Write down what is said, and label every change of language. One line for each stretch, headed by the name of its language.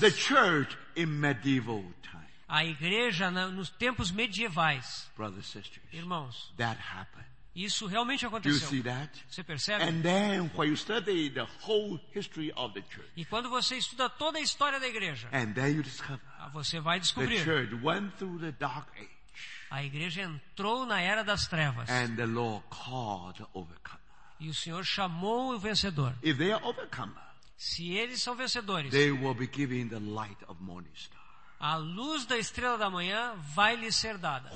English: The church in medieval time.
Portuguese: A igreja nos tempos medievais.
English: Brothers and sisters,
Portuguese: irmãos,
English: that happened.
Portuguese: Isso realmente aconteceu.
English: Do you see that?
Portuguese: Você percebe?
English: And then, when you study the whole history of the church,
Portuguese: e quando você estuda toda a história da igreja,
English: and then you discover,
Portuguese: você vai descobrir.
English: The church went through the dark age.
Portuguese: A igreja entrou na era das trevas.
English: And the Lord called the overcomer.
Portuguese: E o Senhor chamou o vencedor.
English: If they are overcomer,
Portuguese: se eles são vencedores,
English: they will be given the light of morning star.
Portuguese: A luz da estrela da manhã vai lhes ser dada.